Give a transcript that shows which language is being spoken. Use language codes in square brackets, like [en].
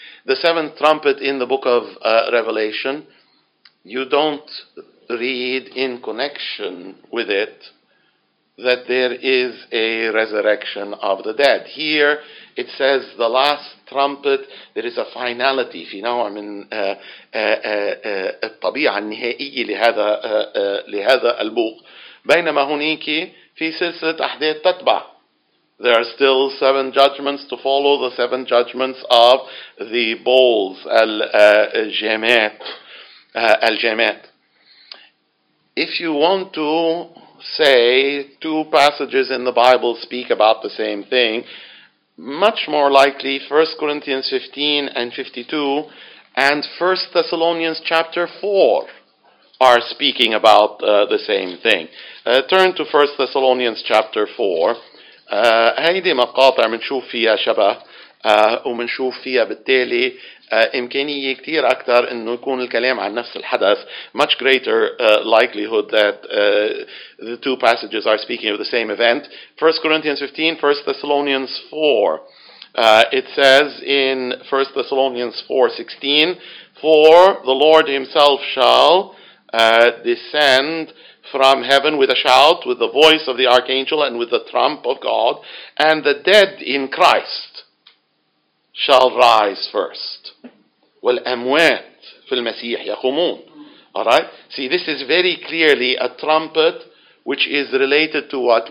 [en] The seventh trumpet in the book of Revelation, you don't read in connection with it that there is a resurrection of the dead. Here it says the last trumpet, there is a finality, [ar] في نوع من الطبيعة النهائية لهذا البوق. بينما هناك في سلسلة أحداث تتبع. [en] There are still seven judgments to follow, the seven judgments of the bowls, الجامات. If you want to say two passages in the Bible speak about the same thing, much more likely 1 Corinthians 15 and 52 and 1 Thessalonians chapter 4 are speaking about the same thing. Turn to 1 Thessalonians chapter 4. [ar] هيدي مقاطع منشوف فيها شبه ومنشوف فيها بالتالي إمكانية كتير أكتر إنه يكون الكلام عن نفس الحدث. [en] Much greater likelihood that the two passages are speaking of the same event. 1 Corinthians 15, 1 Thessalonians 4. It says in 1 Thessalonians 4:16, "For the Lord Himself shall descend from heaven with a shout, with the voice of the archangel, and with the trump of God, and the dead in Christ shall rise first." [ar] والأموات في المسيح يقومون. [en] Alright? See, this is very clearly a trumpet which is related to what?